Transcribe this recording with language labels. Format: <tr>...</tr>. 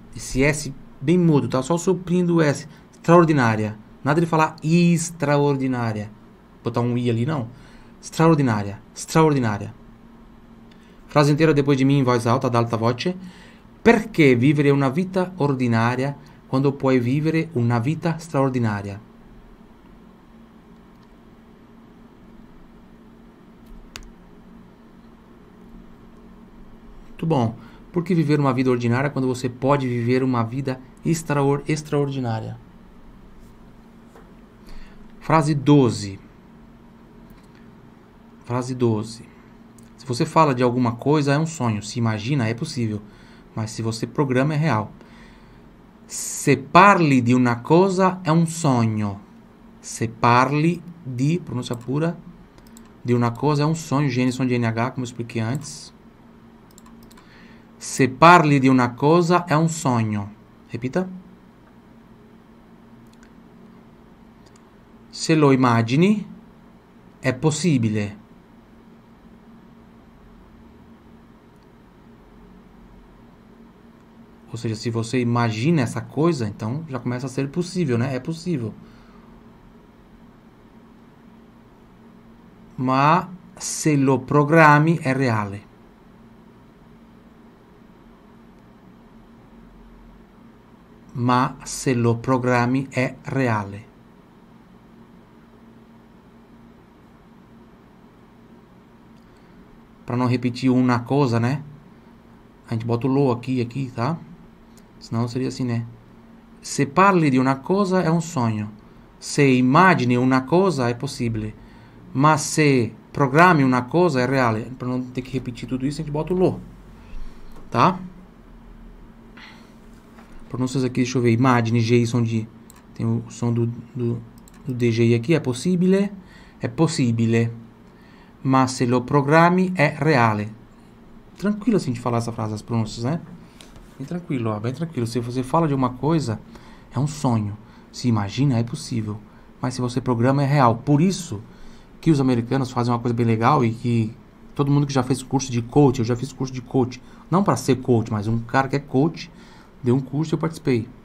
<pt>Esse S bem mudo, tá? Só suprindo o S. Extraordinária. Nada de falar extraordinária. Botar um I ali, não. Extraordinária. Extraordinária. Frase inteira depois de mim, em voz alta, ad alta voce. Perché vivere una vita ordinaria quando puoi vivere una vita straordinaria? Muito bom. Por que viver uma vida ordinária quando você pode viver uma vida extraordinária? Frase 12. Se você fala de alguma coisa, é um sonho. Se imagina, é possível. Mas se você programa, é real.</pt> <it>Se parli di una cosa, è un sogno. Se parli di, pronuncia pura, di una cosa, è un sogno.</it> <pt>Gênesis de NH, como eu expliquei antes.</pt> <it>Se parli di una cosa, è un sogno.</it> <pt>Repita.</pt> <it>Se lo immagini, è possibile.</it> <pt>Ou seja, se você imagina essa coisa, então já começa a ser possível, né? É possível.</pt> <it>Ma se lo programmi è reale. Ma se lo programmi è reale.</it> <pt>Para não repetir uma coisa, né? A gente bota o lo aqui, tá? Senão seria assim, né?</pt> <it>Se parli di una cosa è un sogno. Se immagini una cosa è possibile. Ma se programmi una cosa è reale. Per non ter che ripetere tutto questo,</it> <pt>a gente bota</pt> <it>lo.</it> <pt>Tá? Pronuncias aqui, deixa eu ver. Immagini, G, son di. Tem o som do DGI aqui.</pt> <it>È possibile? È possibile. Ma se lo programmi è reale.</it> <pt>Tranquillo se a gente falar essa frase, as pronuncias, né? Bem tranquilo, ó, bem tranquilo. Se você fala de uma coisa, é um sonho. Se imagina, é possível. Mas se você programa, é real. Por isso que os americanos fazem uma coisa bem legal e que todo mundo que já fez curso de coach, eu já fiz curso de coach, não para ser coach, mas um cara que é coach, deu um curso e eu participei.</pt>